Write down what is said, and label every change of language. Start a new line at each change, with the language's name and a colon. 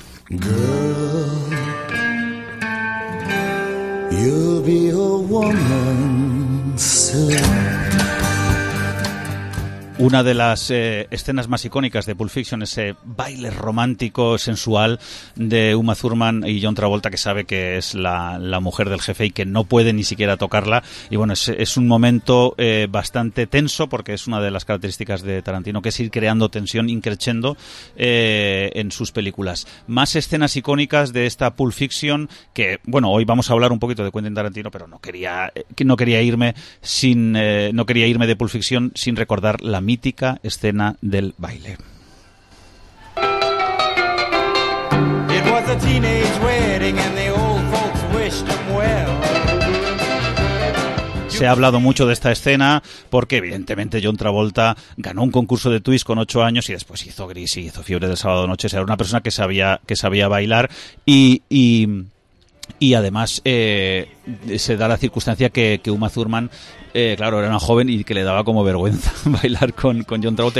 English: Girl, you'll be a woman soon.
Spanish: Una de las escenas más icónicas de Pulp Fiction, ese baile romántico, sensual, de Uma Thurman y John Travolta, que sabe que es la mujer del jefe y que no puede ni siquiera tocarla. Y bueno, es un momento bastante tenso, porque es una de las características de Tarantino, que es ir creando tensión, increchendo en sus películas. Más escenas icónicas de esta Pulp Fiction, que, bueno, hoy vamos a hablar un poquito de Quentin Tarantino, pero no quería irme de Pulp Fiction sin recordar la mítica escena del baile.
English: It was a teenage wedding and the old folks wished him well.
Spanish: Se ha hablado mucho de esta escena porque, evidentemente, John Travolta ganó un concurso de twist con 8 años y después hizo Grease y hizo Fiebre del Sábado Noche. O sea, era una persona que sabía bailar y además se da la circunstancia que Uma Thurman, claro, era una joven y que le daba como vergüenza bailar con John Travolta.